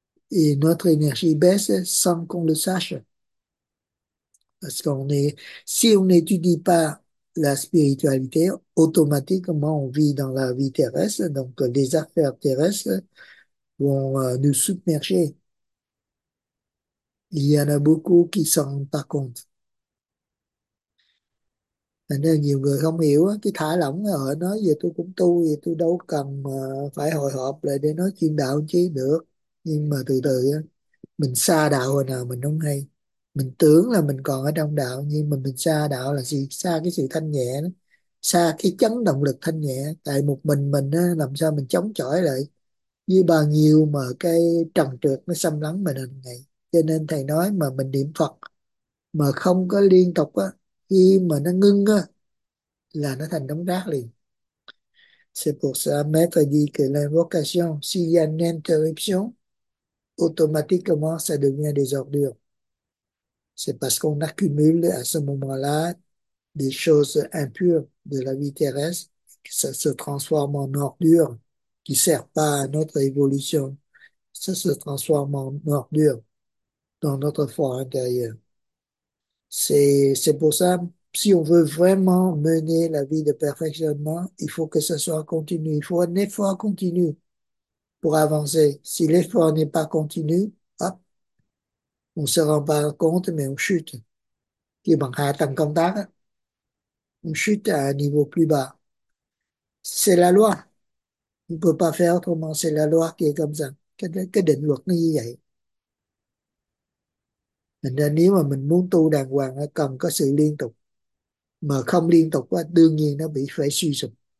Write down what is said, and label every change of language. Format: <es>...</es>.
<fr>Et notre énergie baisse sans qu'on le sache. Parce qu'on est, si on n'étudie pas la spiritualité, automatiquement on vit dans la vie terrestre, donc les affaires terrestres vont nous submerger. Il y en a beaucoup qui s'en rendent pas compte.</fr> <vi>Nên nhiều người không hiểu cái thả lỏng, họ nói về tôi cũng tu, vậy tôi đâu cần phải hồi hộp lại để nói chuyện đạo chứ được. Nhưng mà từ từ mình xa đạo hồi nào mình không hay. Mình tưởng là mình còn ở trong đạo, nhưng mà mình xa đạo là gì? Xa cái sự thanh nhẹ đó, xa cái chấn động lực thanh nhẹ. Tại một mình á, làm sao mình chống chọi lại với bao nhiêu mà cái trần trược nó xâm lấn mình hàng ngày. Cho nên thầy nói mà mình niệm Phật mà không có liên tục á, khi mà nó ngưng á là nó thành đống rác liền.</vi> <fr>C'est pour ça, maître dit que l'invocation, s'il y a une interruption, automatiquement ça devient des ordures. C'est parce qu'on accumule à ce moment-là des choses impures de la vie terrestre, que ça se transforme en ordure qui sert pas à notre évolution. Ça se transforme en ordure dans notre fort intérieur. C'est pour ça, si on veut vraiment mener la vie de perfectionnement, il faut que ça soit continu. Il faut un effort continu pour avancer. Si l'effort n'est pas continu, on se rend pas compte, mais on chute. Qui</fr> <vi>bằng hạ tầng công tác,</vi> <fr>on chute à un niveau plus bas. C'est la loi. On ne peut pas faire autrement. C'est la loi qui est comme ça.</fr> <vi>Cái định luật nó như vậy. Thành ra nếu mà mình muốn tu đàng hoàng, cần có sự liên tục. Mà không liên tục, đương nhiên nó bị phải suy sụp.</vi>